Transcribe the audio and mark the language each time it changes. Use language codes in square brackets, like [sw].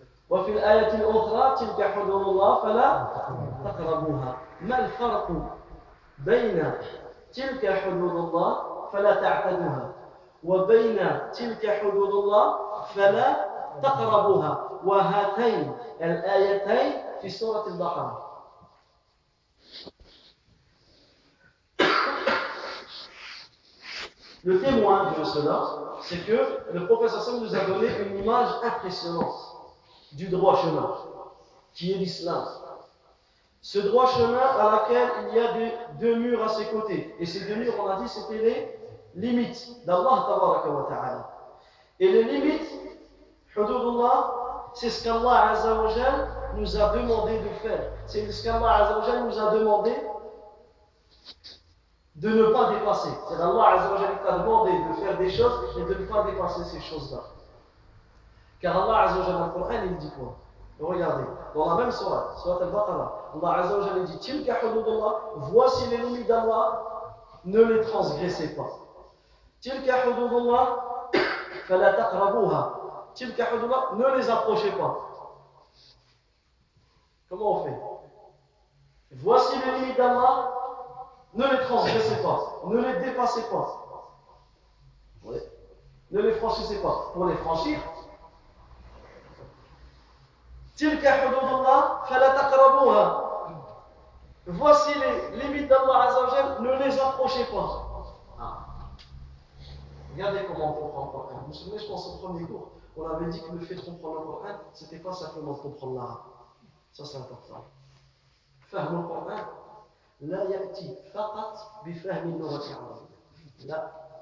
[ar] وفي الآية الأخرى تلك حدود الله فلا تقربوها ما الفرق بين تلك حدود الله فلا تعتدوها وبين تلك حدود الله فلا تقربوها وهاتين الآيتين في سورة البقرة [fr] Le témoin de cela, c'est que le professeur Sam nous a donné une image impressionnante du droit chemin, qui est l'islam. Ce droit chemin à laquelle il y a deux murs à ses côtés. Et ces deux murs, on a dit, c'était les limites d'Allah tabaraka wa ta'ala. Et les limites, hududullah, c'est ce qu'Allah Azza wa Jal nous a demandé de faire. C'est ce qu'Allah Azza wa Jal nous a demandé de ne pas dépasser. C'est Allah Azza wa Jal qui t'a demandé de faire des choses et de ne pas dépasser ces choses-là. Car Allah Azza wa Jal, dans le Coran, il dit quoi? Regardez, dans la même sourate, sourate Al-Baqarah, Allah Azza wa Jal dit Tilka hududullah, voici les limites d'Allah, ne les transgressez pas. [ar] تلك حدود الله فلا تقربوها تلك حدود الله [fr] ne les approchez pas. Comment on fait? Voici les limites d'Allah, ne les transgressez pas, ne les dépassez pas, ne les franchissez pas. Pour les franchir, [ar] تلك حدود الله فلا تقربوها. [fr] Voici les limites d'Allah Azza wa Jal, ne les approchez pas. Regardez comment on comprend le Coran. Vous vous souvenez, je pense au premier cours, on avait dit que le fait de comprendre le Coran, c'était pas simplement de comprendre l'arabe. Ça, c'est important. [ar] Fahm al-Qur'an, la yati faqat bi fahm al-lughati al-arabiyya. La.